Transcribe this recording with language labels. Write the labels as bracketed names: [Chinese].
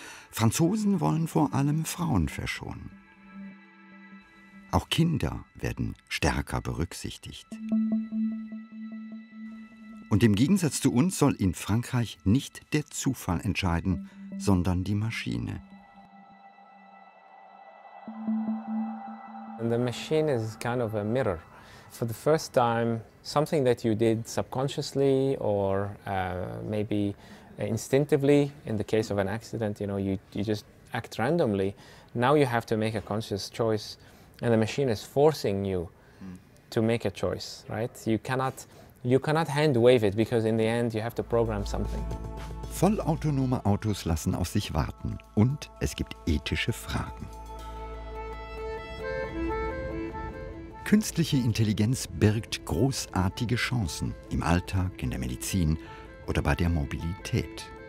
[German] Franzosen wollen vor allem Frauen verschonen. Auch Kinder werden stärker berücksichtigt. Und im Gegensatz zu uns soll in Frankreich nicht der Zufall entscheiden, sondern die Maschine. [English] And the machine is kind of a mirror. For the first time, something that you did subconsciously or maybe instinctively, in the case of an accident, you know, you just act randomly. Now you have to make a conscious choice, and the machine is forcing you to make a choice, right? You cannot hand wave it, because in the end you have to program something. [German] Vollautonome Autos lassen auf sich warten, und es gibt ethische Fragen. Künstliche Intelligenz birgt großartige Chancen im Alltag, in der Medizin oder bei der Mobilität.